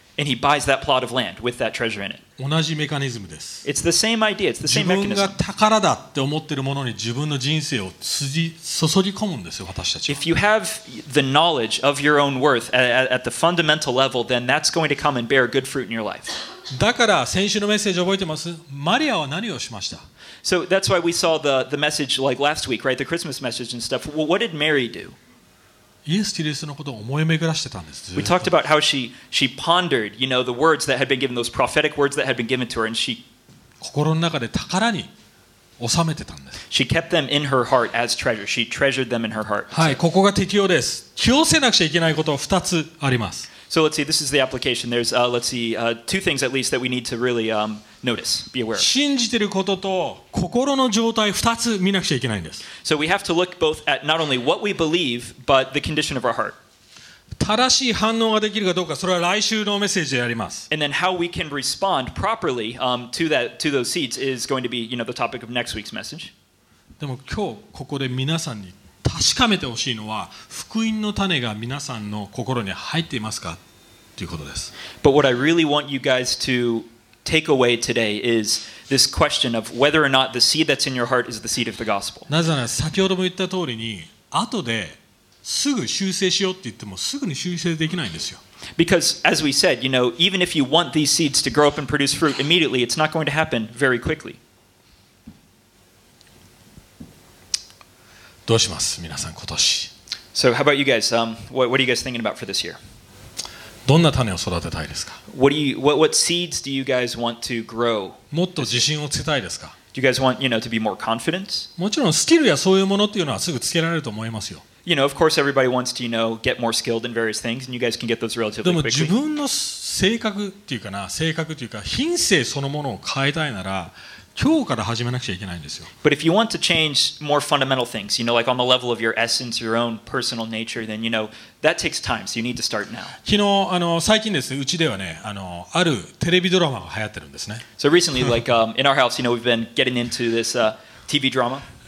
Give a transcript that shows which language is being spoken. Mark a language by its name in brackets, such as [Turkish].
[English] And he buys that plot of land with that treasure in it. [Japanese] 同じメカニズムです。 [English] It's the same idea. It's the same mechanism. [Japanese] 自分が宝だって思ってるものに自分の人生を注ぎ込むんですよ、私たち。 [English] If you have the knowledge of your own worth at the fundamental level, then that's going to come and bear good fruit in your life. [Japanese] だから先週のメッセージ覚えてます？マリアは何をしました？ [English] So that's why we saw the message like last week, right? The Christmas message and stuff. Well, what did Mary do? [Japanese] イエス・キリストのことを思い巡らしてたんです。 [English] We talked about how she pondered, you know, the words that had been given, those prophetic words that had been given to her, and she [Japanese] 心の中で宝に収めてたんです。 [English] She kept them in her heart as treasure. She treasured them in her heart. [Japanese] はい、ここが適用です。気をせなくちゃいけないことは2つあります。 [English] So let's see, this is the application. There's, let's see, two things at least that we need to really, notice, be aware of. [Japanese] 信じてることと心の状態2つ見なくちゃいけないんです。 [English] So we have to look both at not only what we believe, but the condition of our heart. [Japanese] 正しい反応ができるかどうか、それは来週のメッセージでやります。 [English] And then how we can respond properly, to those seeds is going to be, you know, the topic of next week's message. [Japanese] でも今日ここで皆さんに確かめてほしいのは福音の種が皆さんの心に入っていますかということです。 [English] But what I really want you guys to take away today is this question of whether or not the seed that's in your heart is the seed of the gospel. [Japanese] なぜなら先ほども言った通りに後ですぐ修正しようって言ってもすぐに修正できないんですよ。 [English] Because as we said, you know, even if you want these seeds to grow up and produce fruit immediately, it's not going to happen very quickly. [Japanese] どうします皆さん今年。 [English] So how about you guys? What are you guys thinking about for this year? [Japanese] どんな種を育てたいですか [English] What seeds do you guys want to grow? [Japanese] もっと自信をつけたいですか [English] Do you guys want, you know, to be more confident? [Japanese] もちろんスキルやそういうものっていうのはすぐつけられると思いますよ。 [English] You know, of course everybody wants to, you know, get more skilled in various things, and you guys can get those relatively quickly. [Japanese] でも自分の性格っていうかな、性格っていうか品性そのものを変えたいなら、今日から始めなくちゃいけないんですよ。 [English] But if you want to change more fundamental things, you know, like on the level of your essence, your own personal nature, then you know that takes time. So you need to start now. [Japanese] 昨日最近ですね、うちではね、あるテレビドラマが流行ってるんですね。 [English] So recently, like in our house, you know, we've been getting into this TV drama.